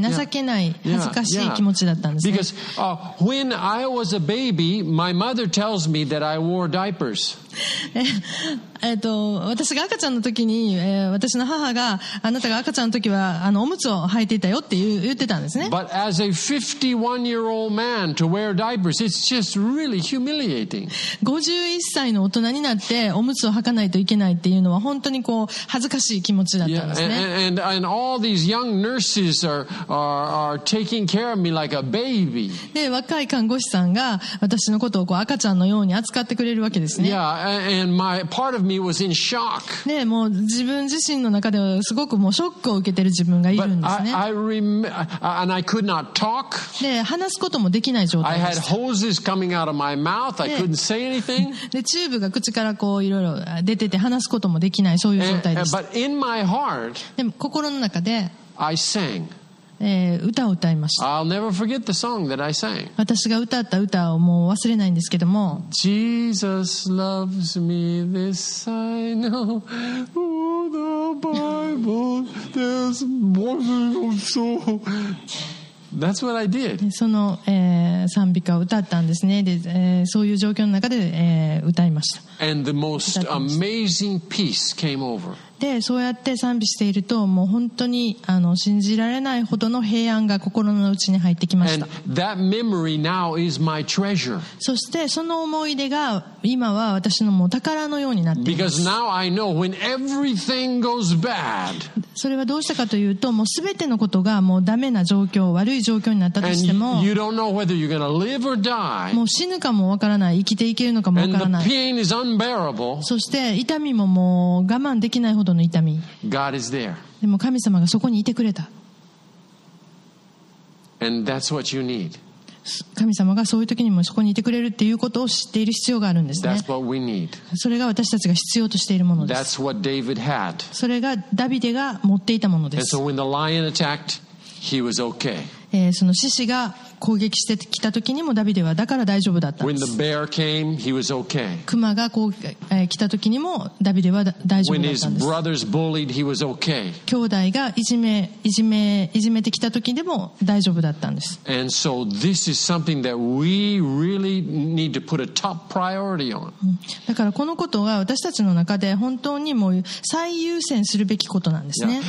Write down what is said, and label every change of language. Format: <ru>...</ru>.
<ja>情けない、恥ずかしい気持ちだったんですね。</ja> <en>Because, when I was a baby, my mother tells me that I wore diapers.</en> <ja>私が赤ちゃんの時に、私の母があなたが赤ちゃんの時はあのおむつを履いていたよって言ってたんですね。</ja> <en>But as a 51-year-old man to wear diapers, it's just really humiliating.</en> <ja>51歳の大人になっておむつを履かないといけないっていうのは本当にこう恥ずかしい気持ちだったんですね。</ja> <en>Yeah, and all these young nurses are taking care of me like a baby.</en> <ja>で、若い看護師さんが私のことをこう赤ちゃんのように扱ってくれるわけですね。</ja> <en>Yeah, and my part of me was in shock.</en> <ja>ね、もう自分自身の中ではすごくもうショックを受けてる自分がいるんですね。</ja> <en>And I could not talk.</en> <ja>で、話すこともできない状態でした。</ja> <en>I had hoses coming out of my mouth. I couldn't say anything.</en> <ja>で、チューブが口からこういろいろ出てて話すこともできない。そういう状態でした。</ja> <en>But in my heart,</en> <ja>でも心の中で</ja> <en>I sang.</en> <ja>歌を歌いました。</ja> <en>I'll never forget the song that I sang.</en> <ja>私が歌った歌をもう忘れないんですけども。</ja> <en>Jesus loves me, this I know. Oh, the Bible, there's wonderful soul. That's what I did.</en> <ja>その、賛美歌を歌ったんですね。で、そういう状況の中で、歌いました。</ja> <en>And the most amazing peace came over.</en> <ja>で、そうやって賛美していると、もう本当に、信じられないほどの平安が心の内に入ってきました。</ja> <en>And that memory now is my treasure.</en> <ja>そして、その思い出が今は私のもう宝のようになっています</ja> <en>。 Because now I know when everything goes bad.</en> <ja>それはどうしたかというと、もうすべてのことがもうダメな状況、悪い状況になったとしても、</ja> <en>And you don't know whether you're gonna live or die.</en> <ja>もう死ぬかもわからない、生きていけるのかもわからない。</ja> <en>And the pain is unbearable.</en> <ja>そして、痛みももう我慢できないほどの痛み。</ja> <en>God is there.</en> <ja>でも神様がそこにいてくれた。</ja> <en>And that's what you need.</en> <ja>神様がそういう時にもそこにいてくれるっていうことを知っている必要があるんですね。</ja> <en>That's what we need.</en> <ja>それが私たちが必要としているものです。</ja> <en>That's what David had.</en> <ja>それがダビデが持っていたものです。</ja> <en>And so when the lion attacked, he was okay.</en> <ja>その獅子が攻撃してきた時にもダビデはだから大丈夫だったんです。</ja> <en>When the bear came, he was okay.</en> <ja>熊がこう、来た時にもダビデは大丈夫だったんです。</ja> <en>When his brothers bullied, he was okay.</en> <ja>兄弟がいじめてきた時でも大丈夫だったんです。</ja> <en>And so this is something that we really need to put a top priority on.</en> <ja>だからこのことが私たちの中で本当にもう最優先するべきことなんですね。</ja>